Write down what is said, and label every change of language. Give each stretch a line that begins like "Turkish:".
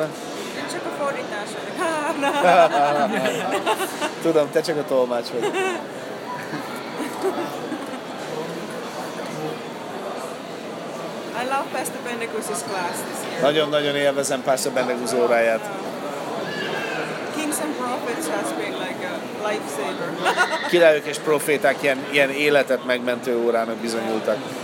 Hungarian: Én csak a fordítás vagyok. Tudom, te csak a tolmács vagy.
English: I love Pastor Bendegúz's class this year.
Hungarian: Nagyon-nagyon élvezem Pastor Bendegúz óráját.
English: Kings and Prophets has been like a lifesaver.
Hungarian: Királyok és proféták ilyen életet megmentő órának bizonyultak.